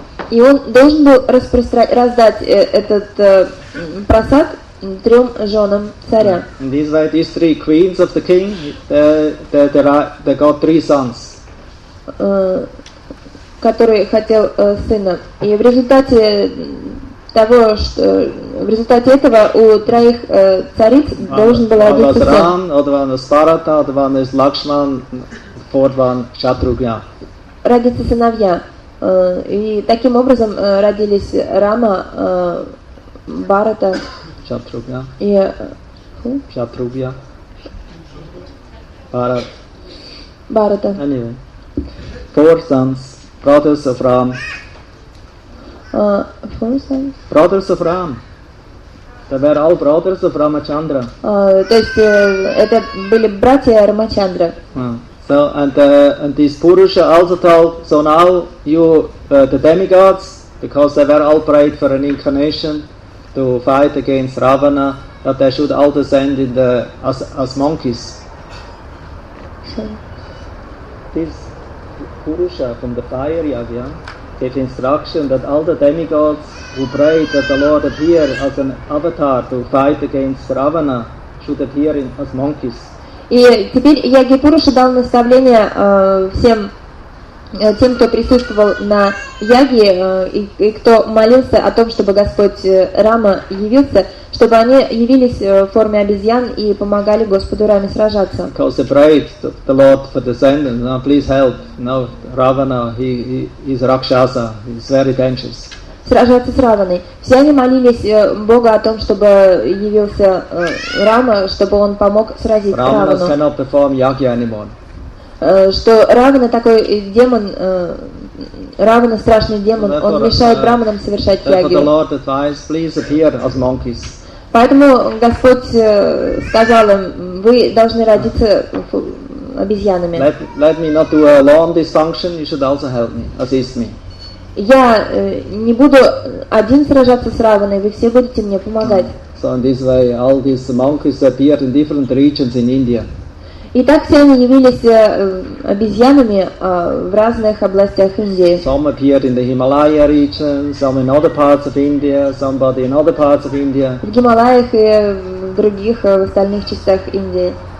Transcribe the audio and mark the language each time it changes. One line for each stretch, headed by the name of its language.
Russian: И он должен был раздать этот прасад трем женам царя.
English: And these were these three queens of the king. They got three sons.
Russian: Который хотел сына. И в результате того, что в результате этого у троих цариц должен был родиться сын. Родиться сыновья. И таким образом родились Рама, Барата и Шатрубья. Барат. Барата.
English: Anyway. Four sons, brothers of Ram. Four sons? Brothers of Ram. They were all brothers of Ramachandra.
Russian: То есть это были братья Рамачандра.
English: So and these Purusha also told, so now you the demigods, because they were all prayed for an incarnation to fight against Ravana, that they should all descend in the as monkeys. These Purusha from the fire Yagya gave instruction that all the demigods who prayed that the Lord appear as an avatar to fight against Ravana should appear in as monkeys.
Russian: И теперь Яги Пуруша дал наставление всем тем, кто присутствовал на Яге и кто молился о том, чтобы Господь Рама явился, чтобы они явились в форме обезьян и помогали Господу Раме сражаться.
English: Because they prayed to the Lord for descendants. Now please help. Now Ravana, he's Rakshasa, he's very dangerous.
Russian: Сражаться с Раваной. Все они молились Богу о том, чтобы явился Рама, чтобы он помог сразить Равану.
English: Ravana cannot perform yagya anymore.
Russian: Что Равана такой демон, Равана страшный демон, он мешает браманам совершать ягью.
English: The Lord advised, please appear as monkeys.
Russian: Поэтому Господь сказал им, вы должны родиться обезьянами.
English: Let me not do a long dysfunction, you should also help me, assist me.
Russian: Я не буду один сражаться с Раваной, вы все будете мне помогать.
English: So in this way, all these monkeys appeared in different regions in India.
Russian: И так все они явились обезьянами в разных областях Индии.
English: Some appeared in the Himalaya region, some in other parts of India, somebody in other parts of India.
Russian: В Гималаях и в других, в остальных частях Индии.